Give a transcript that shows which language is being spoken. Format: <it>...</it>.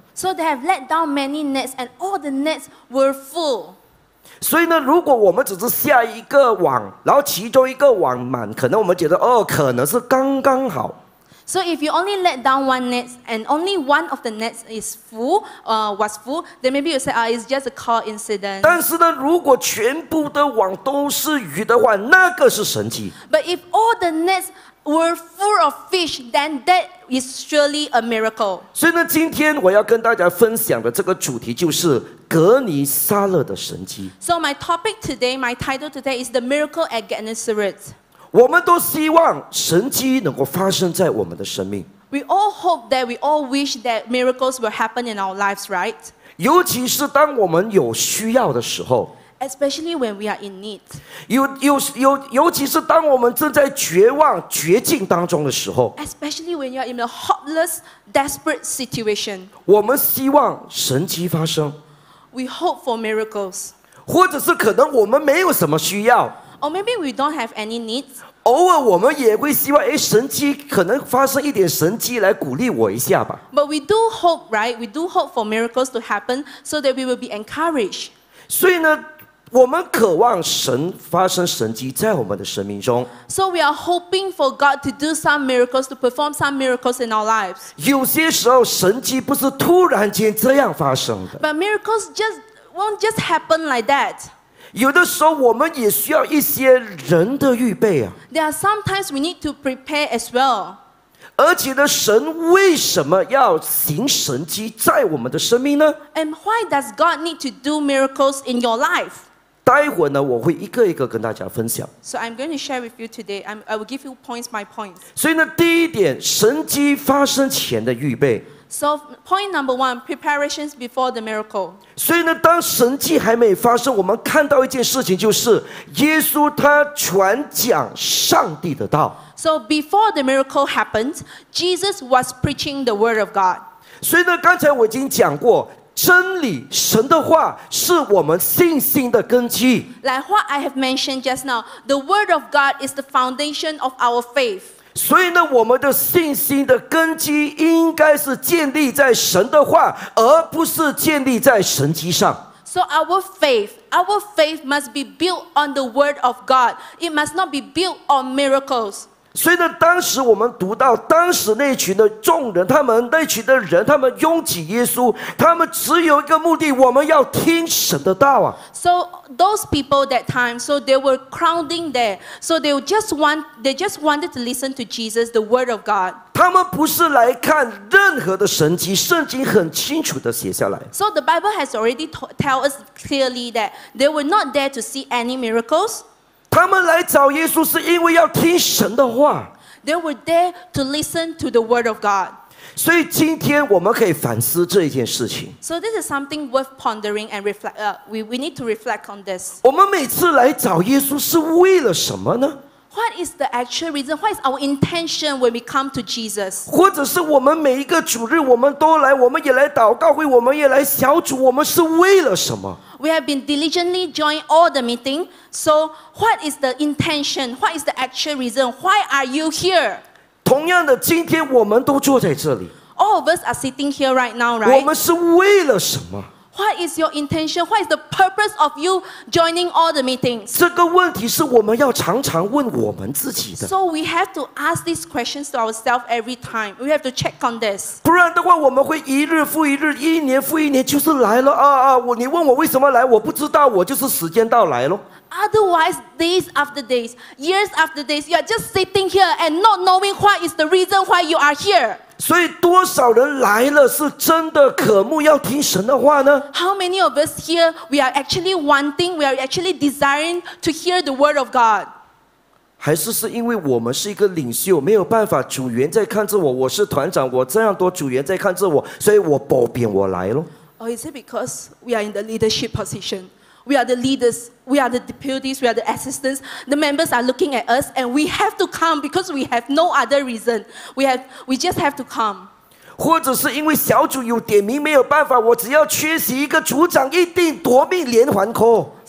<en>So they have let down many nets, and all the nets were full.</en> <zh>所以呢，如果我们只是下一个网，然后其中一个网满，可能我们觉得哦，可能是刚刚好。</zh> <en>So if you only let down one net and only one of the nets is full, was full, then maybe you say, it's just a coincidence.</en> <zh>但是呢，如果全部的网都是鱼的话，那个是神迹。</zh> <en>But if all the nets were full of fish, then that is surely a miracle.</en> <zh>所以呢，今天我要跟大家分享的这个主题就是格尼撒勒的神迹。</zh> <en>So my topic today, my title today is the miracle at Gennesaret.</en> <zh>我们都希望神迹能够发生在我们的生命。</zh> <en>We all hope that, we all wish that miracles will happen in our lives, right?</en> <zh>尤其是当我们有需要的时候。</zh> <en>Especially when we are in need.</en> <zh>尤其是当我们正在绝望、绝境当中的时候。</zh> <en>Especially when you are in a hopeless, desperate situation.</en> <zh>我们希望神迹发生。</zh> <en>We hope for miracles.</en> <zh>或者是可能我们没有什么需要。</zh> <en>Or maybe we don't have any needs.</en> <zh>偶尔我们也会希望，神迹可能发生一点神迹来鼓励我一下吧。</zh> <en>But we do hope, right? We do hope for miracles to happen so that we will be encouraged.</en> <zh>所以呢，我们渴望神发生神迹在我们的生命中。</zh> <en>So we are hoping for God to do some miracles, to perform some miracles in our lives.</en> <zh>有些时候神迹不是突然间这样发生的。</zh> <en>But miracles just won't just happen like that.</en> <zh>有的时候我们也需要一些人的预备啊。</zh> <en>There are sometimes we need to prepare as well.</en> <zh>而且呢，神为什么要行神迹在我们的生命呢？</zh> <en>And why does God need to do miracles in your life?</en> <zh>待会呢，我会一个一个跟大家分享。</zh> <en>So I'm going to share with you today. I will give you points by points.</en> <zh>所以呢，第一点，神迹发生前的预备。</zh> <en>So point number one, preparations before the miracle.</en> <zh>所以呢，当神迹还没发生，我们看到一件事情，就是耶稣他传讲上帝的道。</zh> <en>So before the miracle happened, Jesus was preaching the word of God.</en> <zh>所以呢，刚才我已经讲过，真理神的话是我们信心的根基。</zh> <en>Like what I have mentioned just now, the word of God is the foundation of our faith.</en> <zh>所以呢，我们的信心的根基应该是建立在神的话，而不是建立在神迹上。</zh> <en>So our faith must be built on the word of God. It must not be built on miracles.</en> <zh>所以呢，当时我们读到，当时那群的众人，他们那群的人，他们拥挤耶稣，他们只有一个目的，我们要听神的道啊。</zh> <en>So those people that time, so they were crowding there. So they just wanted to listen to Jesus, the word of God.</en> <zh>他们不是来看任何的神迹，圣经很清楚的写下来。</zh> <en>So the Bible has already tell us clearly that they were not there to see any miracles.</en> <zh>他们来找耶稣是因为要听神的话。</zh> <en>They were there to listen to the word of God.</en> <zh>所以今天我们可以反思这一件事情。</zh> <en>So this is something worth pondering and reflect. We need to reflect on this.</en> <zh>我们每次来找耶稣是为了什么呢？</zh> <en>What is the actual reason? What is our intention when we come to Jesus?</en> <zh>或者是我们每一个主日我们都来，我们也来祷告会，我们也来小组，我们是为了什么？</zh> <en>We have been diligently joined all the meeting. So what is the intention? What is the actual reason? Why are you here?</en> <zh>同样的，今天我们都坐在这里。</zh> <en>All of us are sitting here right now, right?</en> <zh>我们是为了什么？</zh> <en>What is your intention? What is the purpose of you joining all the meetings?</en> <zh>这个问题是我们要常常问我们自己的。</zh> <en>So we have to ask these questions to ourselves every time. We have to check on this.</en> <zh>不然的话，我们会一日复一日，一年复一年，就是来了啊啊！我你问我为什么来，我不知道，我就是时间到来咯。</zh> <en>Otherwise, days after days, years after days, you are just sitting here and not knowing what is the reason why you are here.</en> <zh>所以多少人来了是真的渴慕要听神的话呢？</zh> <en>How many of us here we are actually wanting, we are actually desiring to hear the word of God?</en> <zh>还是因为我们是一个领袖，没有办法，组员在看着我，我是团长，我这样多组员在看着我，所以我保贬我来咯。</zh> <en>Or is it because we are in the leadership position? We are the leaders, we are the deputies, we are the assistants. The members are looking at us and we have to come because we have no other reason. We just have to come.</en> <zh>或者是因为小组有点名没有办法，我只要缺席一个组长一定夺命连环 call.</zh>